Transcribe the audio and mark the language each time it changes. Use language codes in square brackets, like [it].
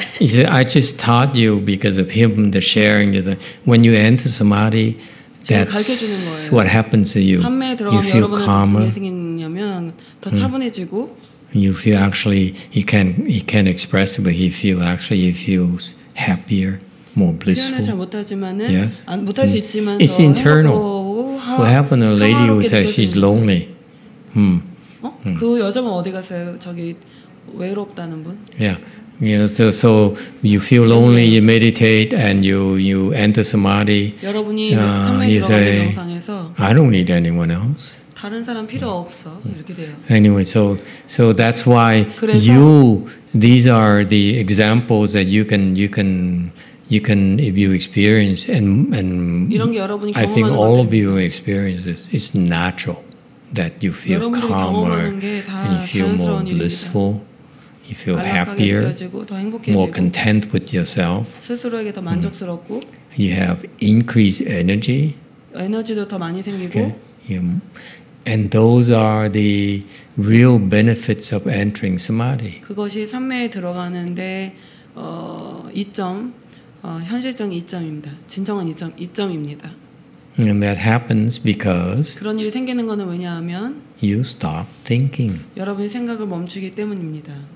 [en] He said, I just taught you because of him, the sharing. The, when you enter samadhi, that's what happens to you. You feel calmer. [ko] 생기냐면, 더 차분해지고, [en] you feel actually, he can express it, but he feel actually, he feels happier, more blissful. [ko] 못하지만은, [en] yes. [ko] 안, 못할 수 있지만, [en] it's internal. 하, what happened to a lady who said she's lonely? [ko] 그 여자분 어디 갔어요? 저기 외롭다는 분? [en] Yeah. You know, so you feel lonely, you meditate, and you enter samadhi. [ko] 여러분이 삼매 들어가는 영상에서 [en] I don't need anyone else. [ko] 다른 사람 필요 없어 이렇게 돼요. [en] Anyway, so that's why these are the examples that you can if you experience and [ko] 이런 게 여러분이 [en] I think all of you experience this. It's natural that you feel calmer and you feel more blissful. You feel happier, more content with yourself. [ko] 스스로에게 더 만족스럽고. [en] You have increased energy. [ko] 에너지도 더 많이 생기고. [en] Okay. Yeah. And those are the real benefits of entering samadhi. [ko] 그것이 삼매에 들어가는데 이점, 현실적 이점입니다. 진정한 이점입니다. [en] And that happens because [ko] 그런 일이 생기는 것은 왜냐하면 [en] you stop thinking. [ko] 여러분이 생각을 멈추기 때문입니다.